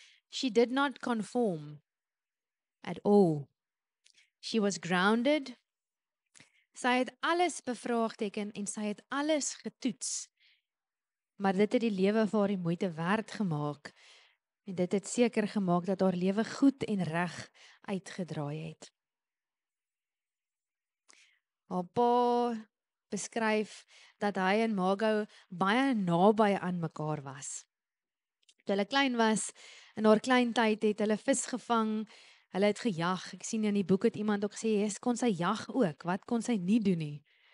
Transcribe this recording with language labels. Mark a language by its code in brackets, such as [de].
[en] She did not conform at all. She was grounded. [af] Sy het alles bevraagteken en sy het alles getoets. Maar dit het die lewe vir haar die moeite werd gemaak. En dit het seker gemaak dat haar lewe goed en reg uitgedraai het. Haar pa beskryf dat hy en Margo baie naby aan mekaar was. Toe hulle klein was, in haar klein tyd het hulle vis gevang, hulle het gejag. Ek sien in die boek het iemand ook gesê, "Jes, kon sy jag ook? Wat kon sy nie doen nie?"